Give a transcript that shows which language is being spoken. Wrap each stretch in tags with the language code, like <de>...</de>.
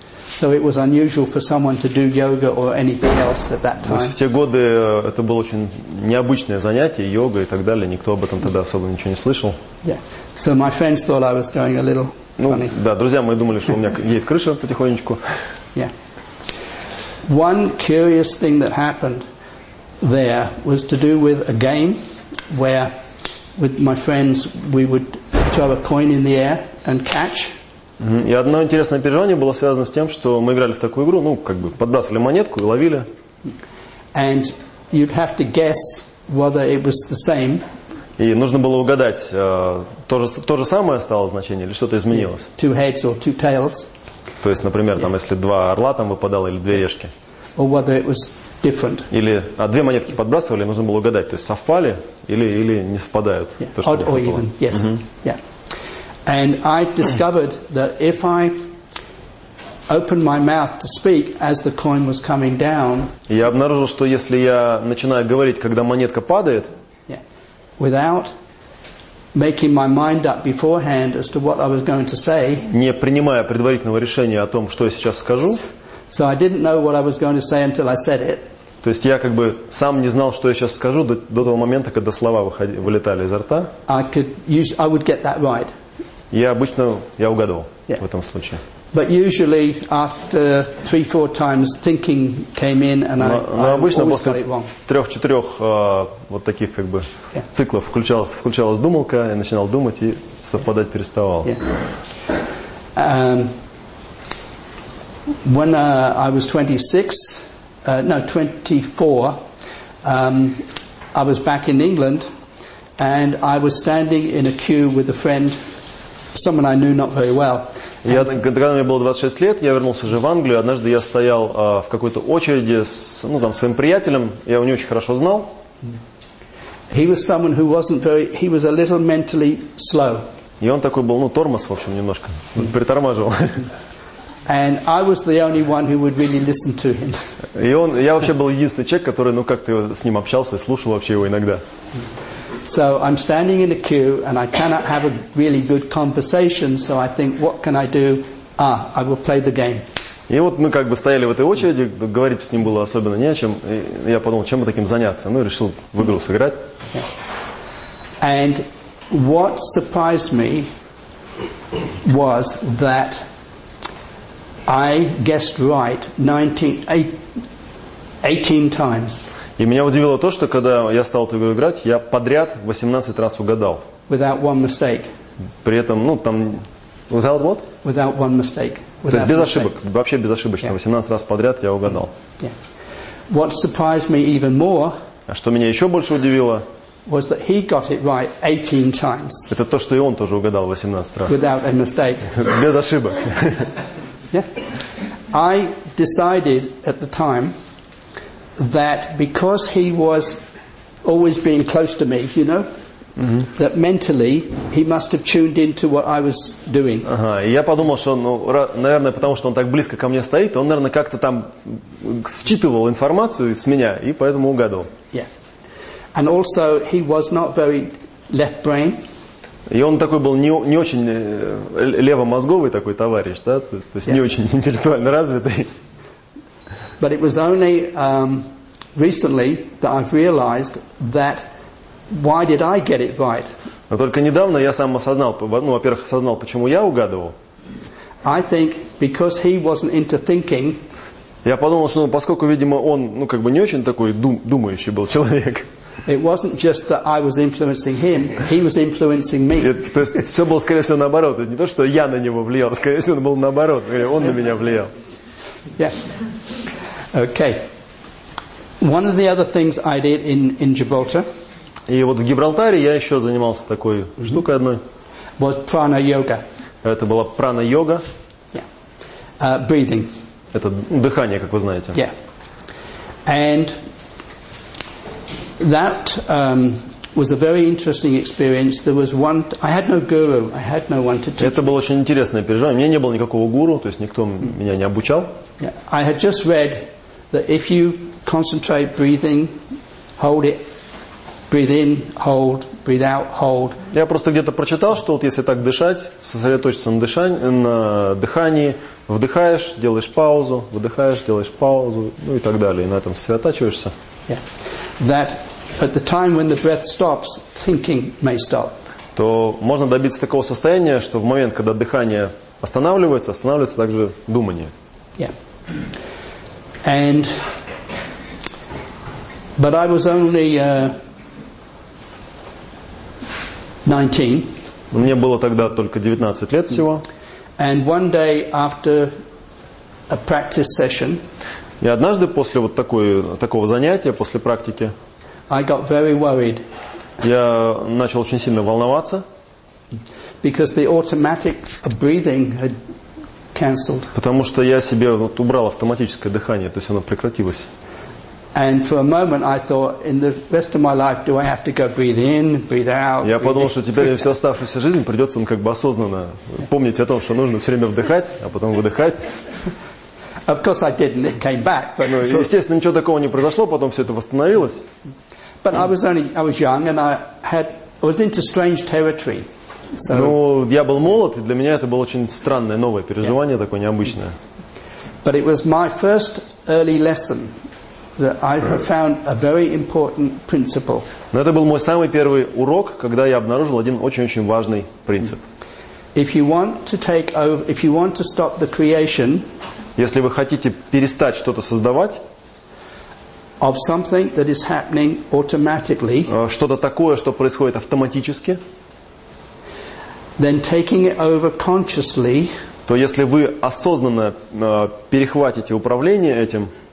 <en>So it was unusual for someone to do yoga or anything else at that time.</en> <ru>То есть в те годы это было очень необычное занятие, йога и так далее. Никто об этом тогда особо ничего не слышал.</ru> <en>Yeah. So my friends thought I was going a little.</en> <ru>Ну, да, друзья мои думали, что у меня едет крыша потихонечку.</ru> <en>Yeah. One curious thing that happened there was to do with a game where with my friends we would throw a coin in the air and catch.</en> <ru>И одно интересное переживание было связано с тем, что мы играли в такую игру, ну, как бы подбрасывали монетку и ловили.</ru> <en>And you'd have to guess whether it was the same.</en> <ru>И нужно было угадать, то же самое стало значение или что-то изменилось?</ru> <en>Two heads or two tails.</en> <ru>То есть, например, там, если два орла там выпадало или две решки.</ru> <en>Or whether it was different.</en> <ru>Или две монетки подбрасывали, нужно было угадать, то есть совпали или не совпадают.</ru> <en>Yeah.</en> <ru>То, что</ru> <en>odd</en> <ru>не</ru> <en>or even, yes. Uh-huh. Yeah. And I discovered that if I opened my mouth to speak as the coin was coming down.</en> <ru>Я обнаружил, что если я начинаю говорить, когда монетка падает,</ru> <en>without making my mind up beforehand as to what I was going to say.</en> <ru>Не принимая предварительного решения о том, что я сейчас скажу.</ru> <en>So I didn't know what I was going to say until I said it.</en> <ru>То есть я как бы сам не знал, что я сейчас скажу до того момента, когда слова вылетали изо рта.</ru> <en>I would get that right.</en> <ru>Я угадывал в этом случае.</ru> <en>But usually after 3-4 times thinking came in and I</en> <ru>обычно</ru> <en>always got it wrong.</en> <ru>3-4 вот таких как бы</ru> <en>yeah.</en> <ru>циклов включалась думалка, я начинал думать и совпадать</ru> <en>yeah.</en> <ru>переставал.</ru> <en>Yeah. When I was 24, I was back in England and I was standing in a queue with a friend, someone I knew not very well.</en> <ru>Когда мне было 26 лет, я вернулся уже в Англию. Однажды я стоял в какой-то очереди с своим приятелем. Я его не очень хорошо знал.</ru> <en>He was someone who wasn't very, he was a little mentally slow.</en> <ru>И он такой был, тормоз, в общем, немножко. Притормаживал.</ru> <en>And I was the only one who would really listen to him.</en> <ru>И он, я вообще был единственный человек, который, ну, как-то с ним общался и слушал вообще его иногда.</ru> <en>So I'm standing in a queue and I cannot have a really good conversation, so I think, what can I do? Ah, I will play the game.</en> <ru>И вот мы как бы стояли в этой очереди, говорить с ним было особенно не о чем. И я подумал, чем бы таким заняться. Ну, решил в игру сыграть.</ru> <en>And what surprised me was that I guessed right 18 times.</en> <ru>И меня удивило то, что когда я стал эту игру играть, я подряд 18 раз угадал.</ru> <en>Without one mistake.</en> <ru>При этом, ну, там...</ru> <en>Without what? Without one mistake. Without</en> <ru>без ошибок. Вообще безошибочно.</ru> <en>Yeah.</en> <ru>18 раз подряд я угадал.</ru> <en>Yeah. What surprised me even more,</en> <ru>а что меня еще больше удивило,</ru> <en>was that he got it right 18 times.</en> <ru>Это то, что и он тоже угадал 18 раз.</ru> <en>Without a mistake.</en> <ru>Без ошибок.</ru> <en>Yeah. I decided at the time that because he was always being close to me, you know, that mentally he must have tuned into what I was doing.</en> <ru>Ага, и я подумал, что, ну, наверное, потому что он так близко ко мне стоит, он, наверное, как-то там считывал информацию с меня и поэтому угадывал.</ru> <en>Yeah. And also he was not very left brain.</en> <ru>И он такой был не очень левомозговый такой товарищ, да? То есть не очень интеллектуально развитый.</ru> <en>But it was only recently that I've realized that why did I get it right?</en> <ru>Но только недавно я сам осознал, ну, во-первых, осознал, почему я угадывал.</ru> <en>I think because he wasn't into thinking.</en> <ru>Я подумал, что, ну, поскольку, видимо, он, ну, как бы не очень такой думающий был человек.</ru> <en>It wasn't just that I was influencing him, he was influencing me.</en> <ru>То есть все было, скорее всего, наоборот. Не то, что я на него влиял, скорее всего, было наоборот. Он на меня влиял.</ru> <en>Yeah. Okay. One of the other things I did in Gibraltar.</en> <ru>И вот в Гибралтаре я еще занимался такой штукой одной.</ru> <en>Was prana yoga.</en> <ru>Это была прана йога.</ru> <en>Yeah. Breathing.</en> <ru>Это дыхание, как вы знаете.</ru> <en>Yeah. And that was a very interesting experience. There was one. I had no guru. I had no one to teach.</en> <ru>Это было очень интересное переживание. У меня не было никакого гуру, то есть никто меня не обучал.</ru> <en>Yeah. I had just read that if you concentrate breathing, hold it, breathe in, hold, breathe out, hold.</en> <ru>Я просто где-то прочитал, что вот если так дышать, сосредоточиться на дыхании, вдыхаешь, делаешь паузу, выдыхаешь, делаешь паузу, ну и так далее, и на этом сосредотачиваешься.</ru> <en>Yeah. That at the time when the breath stops, thinking may stop.</en> <ru>То можно добиться такого состояния, что в момент, когда дыхание останавливается, останавливается также думание.</ru> <en>Yeah. And but I was only 19.</en> <ru>Мне было тогда только 19 лет всего.</ru> <en>And one day after a practice session.</en> <ru>И однажды после вот такого занятия, после практики.</ru> <en>I got very worried.</en> <ru>Я начал очень сильно волноваться.</ru> <en>Because the automatic breathing had cancelled.</en> <ru>Потому что я себе вот убрал автоматическое дыхание, то есть оно прекратилось.</ru> <en>And for a moment I thought, in the rest of my life, do I have to go breathe in, breathe out?</en> <ru>Я подумал, что теперь всю оставшуюся жизнь придется, ну, как бы осознанно помнить о том, что нужно все время вдыхать, а потом выдыхать.</ru> <en>Of course I didn't. It came back.</en> <ru>Ну, естественно, ничего такого не произошло, потом все это восстановилось.</ru> <en>But I was young and I was into strange territory. So,</en> <ru>ну, я был молод, и для меня это было очень странное, новое переживание,</ru> <en>yeah.</en> <ru>такое необычное.</ru> <en>But it was my first early lesson that I have found a very important principle.</en> <ru>Но это был мой самый первый урок, когда я обнаружил один очень-очень важный принцип.</ru> <en>If you want to take over, if you want to stop the creation,</en> <ru>если вы хотите перестать что-то создавать,</ru> <en>of something that is happening automatically,</en> <ru>что-то такое, что происходит автоматически,</ru> <en>then taking it over consciously,</en> <ru>то если вы осознанно перехватите управление этим,</ru>